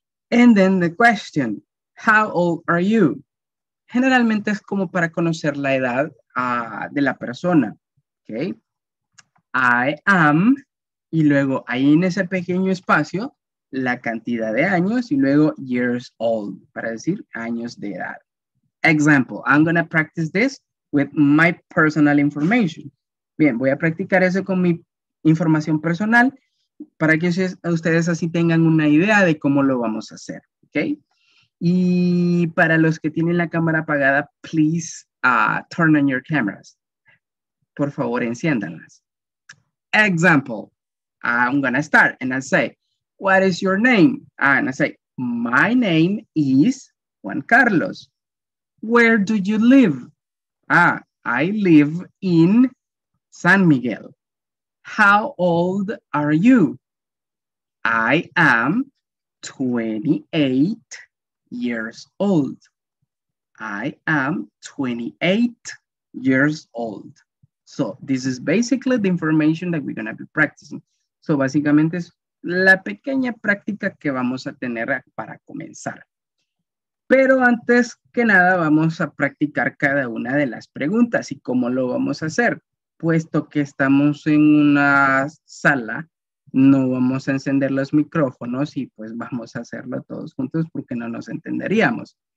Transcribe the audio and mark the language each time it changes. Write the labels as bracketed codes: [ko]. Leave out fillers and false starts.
[en] And then the question, how old are you? [es] Generalmente es como para conocer la edad de la persona. Okay. [en] I am, [es] y luego ahí en ese pequeño espacio, la cantidad de años, y luego [en] years old, [es] para decir años de edad. [en] Example, I'm going to practice this with my personal information. [es] Bien, voy a practicar eso con mi información personal para que ustedes así tengan una idea de cómo lo vamos a hacer. Okay. Y para los que tienen la cámara apagada, [en] please turn on your cameras. [es] Por favor, enciéndanlas. [en] Example, I'm going to start and I'll say, what is your name? And I say, my name is Juan Carlos. Where do you live? I live in San Miguel. How old are you? I am 28 years old. I am 28 years old. So this is basically the information that we're going to be practicing. [es] So básicamente es la pequeña práctica que vamos a tener para comenzar. Pero antes que nada vamos a practicar cada una de las preguntas. ¿Y cómo lo vamos a hacer? Puesto que estamos en una sala, no vamos a encender los micrófonos y pues vamos a hacerlo todos juntos porque no nos entenderíamos.